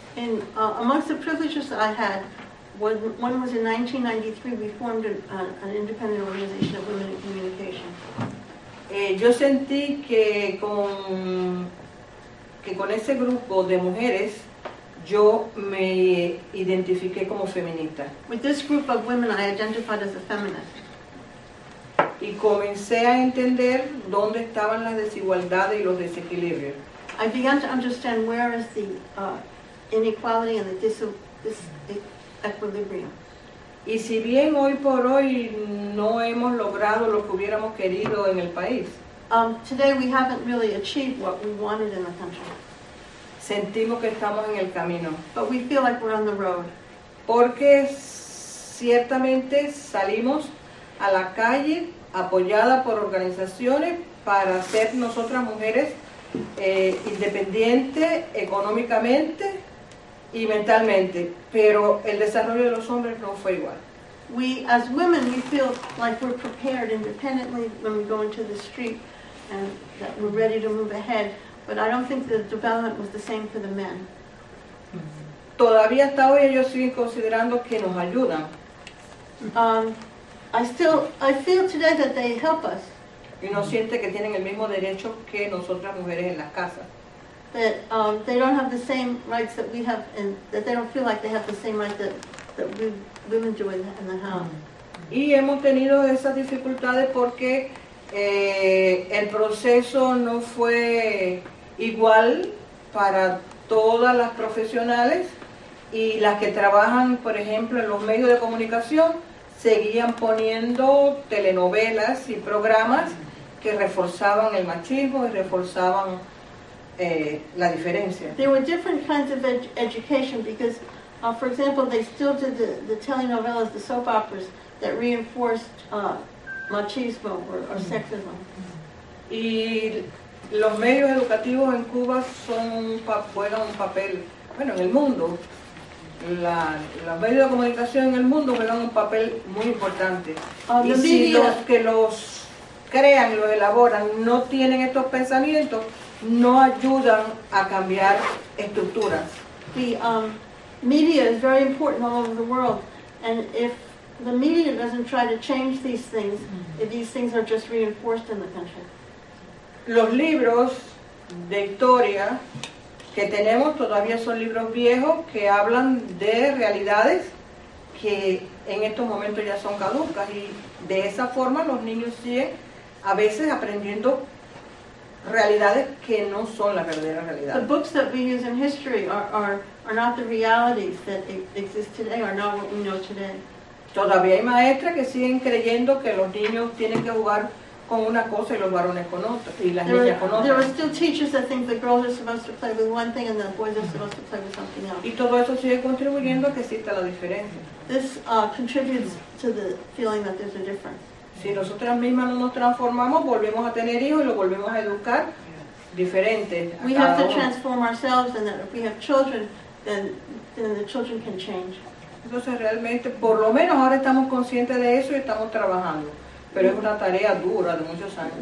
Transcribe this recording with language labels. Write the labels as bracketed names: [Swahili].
[English] And amongst the privileges I had, one was in 1993, we formed an independent organization of women in communication. [Spanish] Yo sentí que con ese grupo de mujeres, yo me identifiqué como feminista. [English] With this group of women, I identified as a feminist. [Spanish] Y comencé a entender dónde estaban las desigualdades y los desequilibrios. [English] I began to understand where is the inequality and the disequilibrium. [Spanish] Y si bien hoy por hoy no hemos logrado lo que hubiéramos querido en el país, [English] Today we haven't really achieved what we wanted in the country. [Spanish] Sentimos que estamos en el camino. [English] But we feel like we're on the road. [Spanish] Porque ciertamente salimos a la calle apoyada por organizaciones para ser nosotras mujeres independientes económicamente y mentalmente. Pero el desarrollo de los hombres no fue igual. [English] We, as women, we feel like we're prepared independently when we go into the street and that we're ready to move ahead. But I don't think the development was the same for the men. [Spanish] Todavía hasta hoy ellos siguen considerando que nos ayudan. [English] I feel today that they help us. [Spanish] Y no siente que tienen el mismo derecho que nosotras mujeres en las casas. [English] That they don't have the same rights that we have, and that they don't feel like they have the same rights that we women do in the home. [Spanish] Y hemos tenido esas dificultades porque el proceso no fue igual para todas las profesionales, y las que trabajan, por ejemplo, en los medios de comunicación seguían poniendo telenovelas y programas que reforzaban el machismo y reforzaban la diferencia. [English] There were different kinds of education because, for example, they still did the telenovelas, the soap operas that reinforced machismo or mm-hmm. sexism. [Spanish] Y los medios educativos en Cuba juegan un papel, bueno, en el mundo. Los medios de comunicación en el mundo juegan un papel muy importante. Y si los que los crean, los elaboran, no tienen estos pensamientos, no ayudan a cambiar estructuras. [English] The media is very important all over the world. And if the media doesn't try to change these things, if these things are just reinforced in the country. [Spanish] Los libros de historia que tenemos todavía son libros viejos que hablan de realidades que en estos momentos ya son caducas y de esa forma los niños siguen a veces aprendiendo realidades que no son la verdadera realidad. [English] The books that we use in history are not the realities that exist today, are not what we know today. [Spanish] Todavía hay maestras que siguen creyendo que los niños tienen que jugar con una cosa y los varones con otra, y las niñas con otra. [English] There are still teachers that think the girls are supposed to play with one thing and the boys are supposed to play with something else. [Spanish] Y todo eso sigue contribuyendo a que exista la diferencia. [English] This contributes to the feeling that there's a difference. [Spanish] Si nosotras mismas no nos transformamos, volvemos a tener hijos y los volvemos a educar diferente. [English] We have to transform ourselves, and that if we have children, then the children can change. [Spanish] Entonces realmente, por lo menos ahora estamos conscientes de eso y estamos trabajando. Pero es una tarea dura de muchos años.